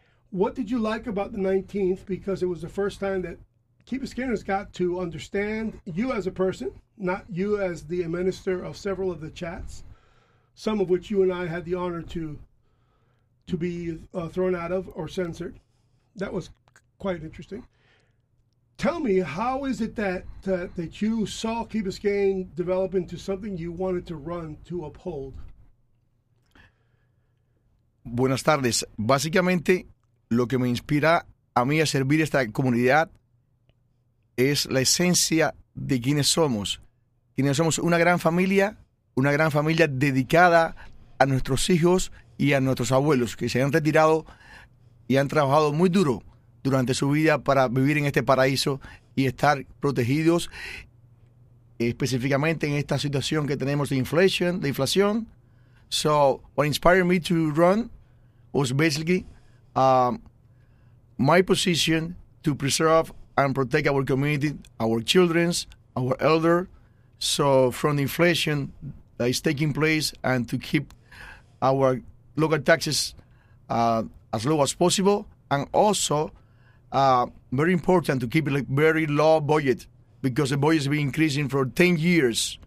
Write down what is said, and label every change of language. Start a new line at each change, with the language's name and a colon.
English: What did you like about the 19th? Because it was the first time that Key Biscayne has got to understand you as a person, not you as the minister of several of the chats, some of which you and I had the honor to be thrown out of or censored. That was quite interesting. Tell me, how is it that you saw Key Biscayne develop into something you wanted to run to uphold?
Spanish: Buenas tardes. Básicamente, lo que me inspira a mí a servir esta comunidad es la esencia de quienes somos. Quienes somos una gran familia dedicada a nuestros hijos y a nuestros abuelos que se han retirado y han trabajado muy duro durante su vida para vivir en este paraíso y estar protegidos, específicamente en esta situación que tenemos de inflation, de inflación.
English: So what inspired me to run was basically my position to preserve and protect our community, our children, our elders, so from the inflation that is taking place, and to keep our local taxes as low as possible, and also very important to keep a very low budget, because the budget has been increasing for 10 years.